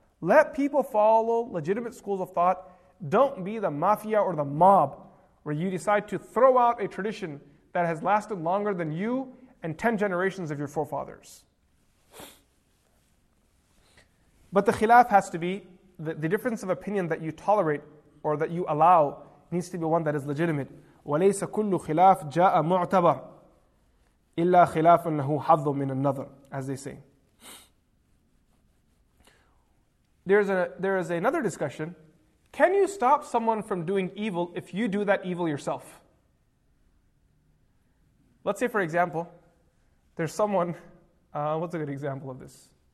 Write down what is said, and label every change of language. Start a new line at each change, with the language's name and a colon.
English: Let people follow legitimate schools of thought. Don't be the mafia or the mob where you decide to throw out a tradition that has lasted longer than you and 10 generations of your forefathers. But the khilaf has to be, the difference of opinion that you tolerate or that you allow needs to be one that is legitimate.
Arabic: وَلَيْسَ كُلُّ خِلَافْ جَاءَ مُعْتَبَرْ إِلَّا خِلَافٌ لَهُ حَظٌّ مِنَ النَّظَرْ,
English: as they say. There is another discussion. Can you stop someone from doing evil if you do that evil yourself? Let's say, for example, there's someone, what's a good example of this?